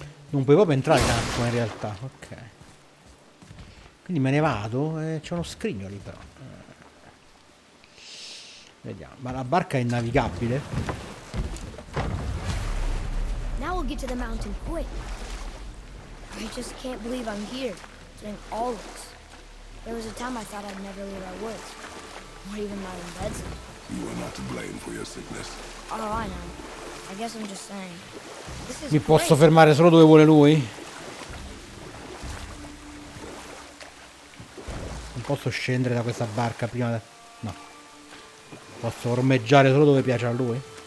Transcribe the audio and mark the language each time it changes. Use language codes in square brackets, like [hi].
[it] Non puoi proprio entrare tanto in realtà, ok. Quindi me ne vado e c'è uno scrigno lì però. Vediamo. Ma la barca è navigabile? [en] Now we'll get to the mountain quick. I just can't believe I'm here. Doing all this. There was a time I thought I'd never leave our woods. Not even my own beds. You are not to blame for your sickness. Oh, I know. I guess I'm just saying. [it] Mi posso fermare solo dove vuole lui? Non posso scendere da questa barca prima di... No. Posso ormeggiare solo dove piace a lui?